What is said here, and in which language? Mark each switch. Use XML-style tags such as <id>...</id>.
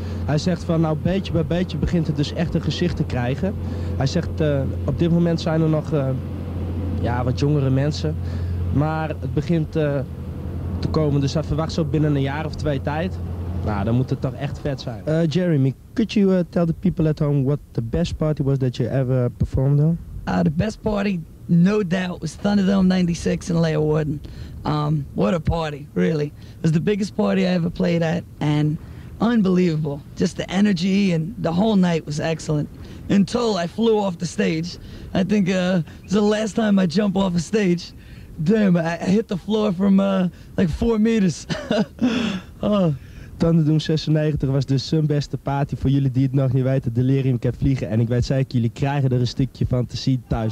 <nl>Hij zegt van nou, beetje bij beetje begint het dus echt een gezicht te krijgen. Hij zegt op dit moment zijn er nog wat jongere mensen, maar het begint te komen. Dus hij verwacht zo binnen een jaar of twee tijd, nou dan moet het toch echt vet zijn.</nl> <en>Jeremy, could you tell the people at home what the best party was that you ever performed on? The best party, no doubt, was Thunderdome 96 in Leo Warden. What a party, really. It was the biggest party I ever played at and unbelievable. Just the energy and the whole night was excellent. Until I flew off the stage. I think it was the last time I jump off a stage. Damn, I hit the floor from like 4 meters.</en> <nl>Oh. Thunderdome 96 was dus zijn beste party. Voor jullie die het nog niet weten, Delirium kan vliegen. En ik weet zeker, jullie krijgen er een stukje van te zien thuis.</nl>